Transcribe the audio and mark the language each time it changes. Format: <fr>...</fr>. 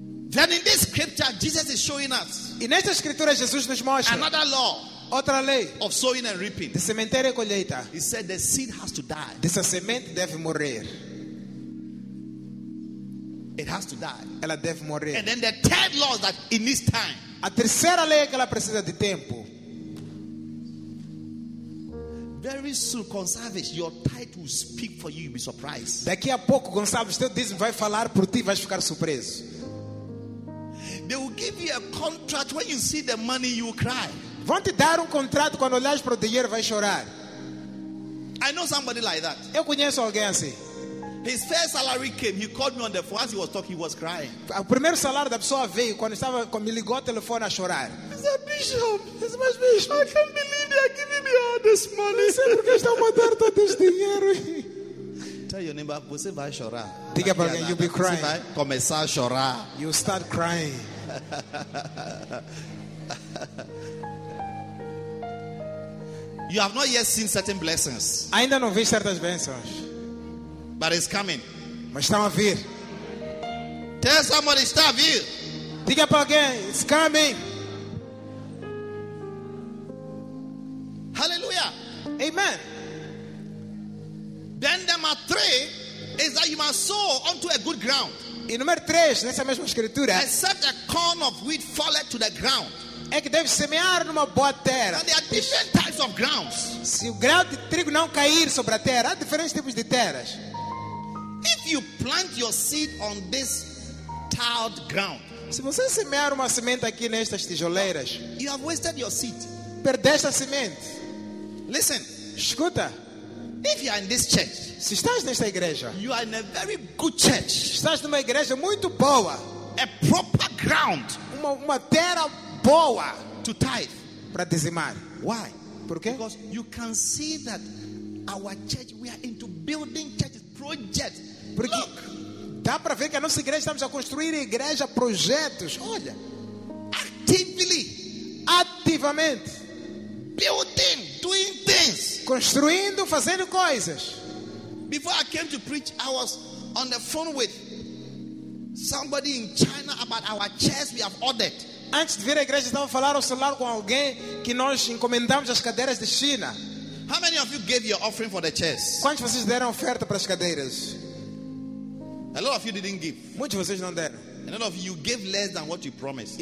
<en>Then in this scripture, Jesus is showing us</en> <pt>e nesta escritura, Jesus nos mostra</pt> <en>another law,</en> <pt>outra lei</pt> <en>of sowing and reaping.</en> <pt>De sementeira e colheita.</pt> <en>He said the seed has to die.</en> <pt>Dessa semente deve morrer.</pt> <en>It has to die.</en> <pt>Ela deve morrer.</pt> <en>And then the third law is that in this time.</en> <pt>A terceira lei é que ela precisa de tempo.</pt> <en>Very soon, Gonçalves, your title will speak for you. You'll be surprised.</en> <pt>Daqui a pouco, Gonçalves, teu dízimo vai falar por ti, vais ficar surpreso.</pt> <en>They will give you a contract. When you see the money, you will cry.</en> <pt>Vão te dar contrato quando olhares para o dinheiro, vai chorar.</pt> <en>I know somebody like that.</en> <pt>Eu conheço alguém assim.</pt> <en>His first salary came. He called me on the phone. As he was talking, he was crying.</en> <pt>O primeiro salário da pessoa veio quando estava com me ligou o telefone a chorar.</pt> <en>He said, Bishop, it's my bishop. I can't believe you are giving me all this money.</en> <pt>Você porque está a mandar todo este dinheiro?</pt> <en>Tell your neighbor,</en> <pt>você vai chorar. Diga para alguém,</pt> <en>you'll be crying.</en> <pt>Você vai começar a chorar.</pt> <en>You start crying. You have not yet seen certain blessings.</en> <pt>Ainda não vi certas bênçãos.</pt> <en>But it's coming.</en> <pt>Mas está a vir.</pt> <en>Tell somebody</en> <pt>está a vir. Diga para alguém,</pt> <en>it's coming. Hallelujah. Amen. Then number three is that you must sow onto a good ground.</en> <pt>E número três nessa mesma escritura.</pt> <en>Except a corn of wheat falleth to the ground.</en> <pt>É que deve semear numa boa terra.</pt> <en>Now, there are different types of grounds.</en> <pt>Se o grão de trigo não cair sobre a terra, há diferentes tipos de terras.</pt> <en>If you plant your seed on this tiled ground,</en> <pt>se você semear uma semente aqui nestas tijoleiras,</pt> <en>you have wasted your seed.</en> <pt>Perdeste a semente.</pt> <en>Listen,</en> <pt>escuta.</pt> <en>If you are in this church,</en> <pt>se estás nesta igreja,</pt> <en>you are in a very good church.</en> <pt>Estás numa igreja muito boa.</pt> <en>A proper ground,</en> <pt>uma terra boa</pt> <en>to tithe,</en> <pt>para dizimar.</pt> <en>Why?</en> <pt>Por quê?</pt> <en>Because you can see that our church, we are into building churches. Project.</en> <pt>Porque</pt> <en>look,</en> <pt>dá para ver que a nossa igreja estamos a construir igreja projetos. Olha,</pt> <en>actively,</en> <pt>ativamente,</pt> <en>building, doing things,</en> <pt>construindo, fazendo coisas.</pt> <en>Before I came to preach, I was on the phone with somebody in China about our chairs we have ordered.</en> <pt>Antes de vir à igreja, estava a falar ao celular com alguém que nós encomendamos as cadeiras de China.</pt> <en>How many of you gave your offering for the chairs?</en> <pt>Quantos vocês deram oferta para as cadeiras?</pt> <en>A lot of you didn't give.</en> <pt>Muitos de vocês não deram.</pt> <en>A lot of you gave less than what you promised.</en>